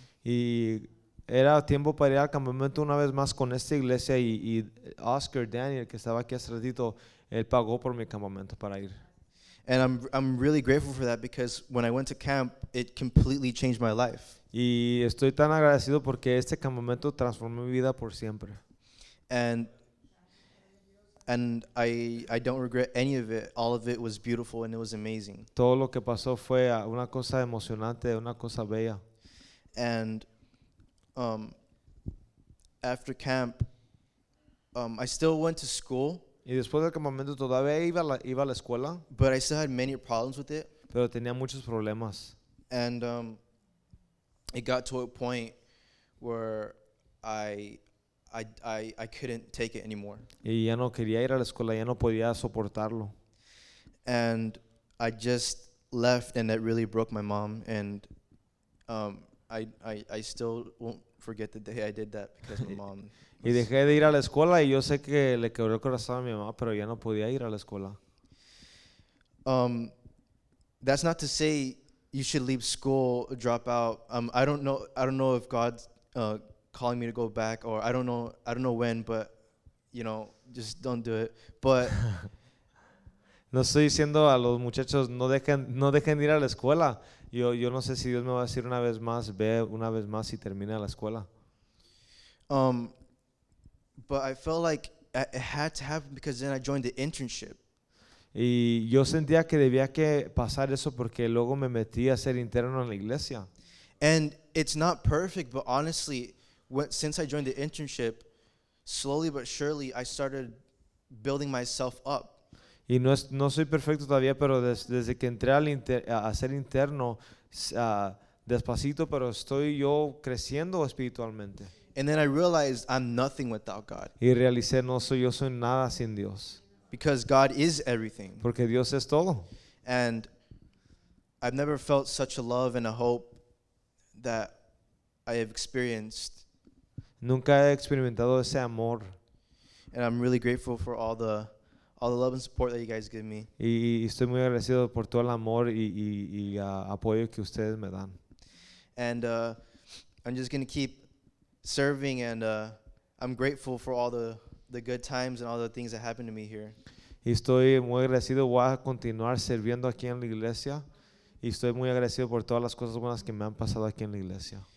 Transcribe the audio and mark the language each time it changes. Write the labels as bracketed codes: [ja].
[es] Y era tiempo para ir al campamento una vez más con esta iglesia, y Oscar Daniel, que estaba aquí hace ratito, él pagó por mi campamento para ir. [en] And I'm really grateful for that, because when I went to camp, it completely changed my life. [es] Y estoy tan agradecido porque este campamento transformó mi vida por siempre. [en] And I don't regret any of it. All of it was beautiful, and it was amazing. [es] Todo lo que pasó fue una cosa emocionante, una cosa bella. [en] And after camp, I still went to school. [es] Y después del campamento todavía iba a la escuela. [en] But I still had many problems with it. [es] Pero tenía muchos problemas. [en] And it got to a point where I couldn't take it anymore. [es] Y ya no quería ir a la escuela, ya no podía soportarlo. [en] And I just left, and that really broke my mom. And I still won't forget the day I did that, because my mom. [es] Y dejé de ir a la escuela, y yo sé que le quebró el corazón a mi mamá, pero ya no podía ir a la escuela. [en] That's not to say you should leave school, drop out. I don't know if God's calling me to go back, or I don't know when, but you know, just don't do it. But [es] no estoy diciendo a los muchachos no dejen ir a la escuela. Yo no sé si Dios me va a decir una vez más, ve una vez más y termina la escuela. [en] But I felt like it had to happen, because then I joined the internship. [es] Y yo sentía que debía que pasar eso, porque luego me metí a ser interno en la iglesia. [en] And it's not perfect, but honestly, since I joined the internship, slowly but surely, I started building myself up. [es] Y no soy perfecto todavía, pero desde que entré a ser interno, despacito, pero estoy yo creciendo espiritualmente. [en] And then I realized I'm nothing without God. [es] Y realicé, no soy yo, soy nada sin Dios. [en] Because God is everything. [es] Porque Dios es todo. [en] And I've never felt such a love and a hope that I have experienced. [es] Nunca he experimentado ese amor. [en] And I'm really grateful for all the love and support that you guys give me. [es] Y estoy muy agradecido por todo el amor y apoyo que ustedes me dan. [en] And I'm just going to keep serving, and I'm grateful for all the good times and all the things that happened to me here. [es] Estoy muy agradecido, voy a continuar sirviendo aquí en la iglesia, y estoy muy agradecido por todas las cosas buenas que me han pasado aquí en la iglesia.